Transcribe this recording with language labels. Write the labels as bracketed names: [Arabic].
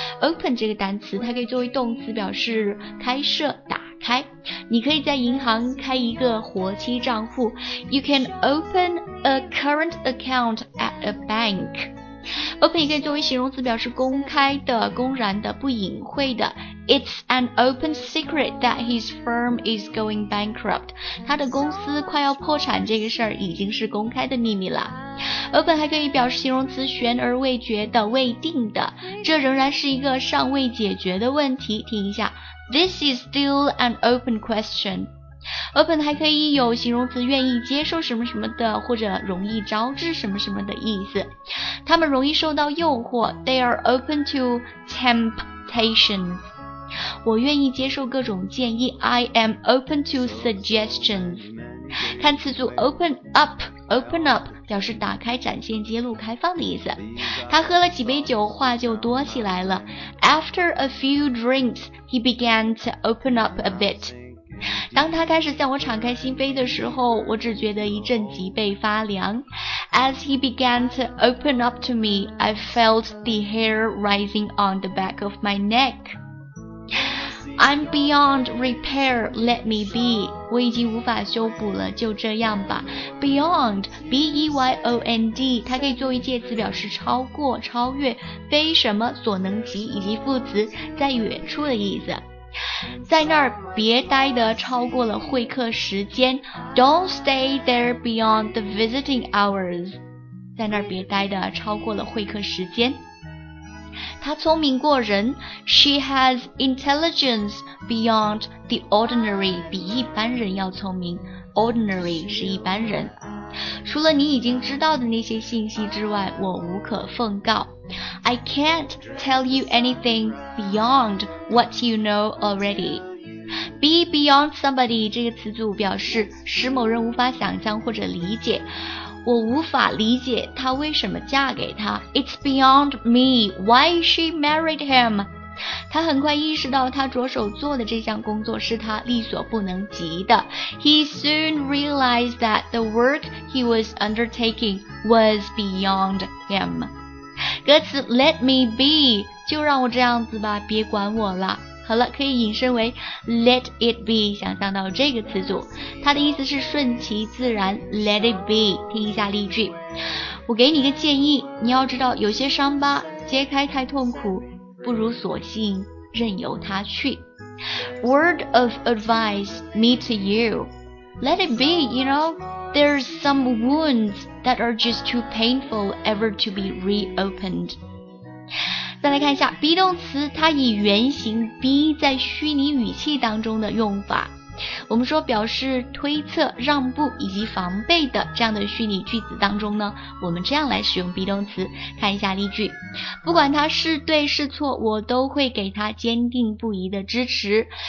[Chinese] Open 这个单词它可以作为动词表示开设、打开。你可以在银行开一个活期账户， [English] You can open a current account at a bank。 [Chinese] Open 也可以作为形容词表示公开的、公然的、不隐晦的。 [English] It's an open secret that his firm is going bankrupt. [Chinese] 他的公司快要破产，这个事儿已经是公开的秘密了。 Open 还可以表示形容词悬而未决的、未定的。这仍然是一个尚未解决的问题。听一下 [English] ，This is still an open question. [Chinese] Open 还可以有形容词愿意接受什么什么的，或者容易招致什么什么的意思。他们容易受到诱惑 [English] ，They are open to temptations. [Chinese] 我愿意接受各种建议 [English] I am open to suggestions [Chinese] 看词组 open up 表示打开、展现、揭露、开放的意思他喝了几杯酒话就多起来了 [English] After a few drinks he began to open up a bit [Chinese] 当他开始向我敞开心扉的时候我只觉得一阵脊背发凉 [English] As he began to open up to me, I felt the hair rising on the back of my neck. I'm beyond repair, let me be. [Chinese] 我已经无法修补了，就这样吧。 Beyond, B-E-Y-O-N-D, 它可以作为介词表示超过、超越、非什么所能及，以及副词在远处的意思。在那儿别待得超过了会客时间。 [English] Don't stay there beyond the visiting hours. [Chinese] 在那儿别待得超过了会客时间。她聪明过人。 [English] She has intelligence beyond the ordinary. [Chinese] 比一般人要聪明。Ordinary 是一般人。除了你已经知道的那些信息之外，我无可奉告。 [English] I can't tell you anything beyond what you know already. [Chinese] Be beyond somebody 这个词组表示使某人无法想象或者理解。我无法理解她为什么嫁给他。 [English] It's beyond me why she married him. [Chinese] 她很快意识到她着手做的这项工作是她力所不能及的。 [English] He soon realized that the work he was undertaking was beyond him. [Chinese] 歌词 [English] Let me be [Chinese] 就让我这样子吧，别管我了。好了，可以引申为 [English] Let it be， [Chinese] 想象到这个词组，它的意思是顺其自然。 [English] Let it be， [Chinese] 听一下例句。我给你一个建议，你要知道有些伤疤揭开太痛苦，不如索性任由它去。 [English] Word of advice me to you， Let it be， you knowThere's some wounds that are just too painful ever to be reopened. [Chinese] 再来看一下 be 动词，它以原形 be 在虚拟语气当中的用法。我们说表示推测、让步以及防备的这样的虚拟句子当中呢，我们这样来使用 be 动词。看一下例句，不管他是对是错，我都会给他坚定不移的支持。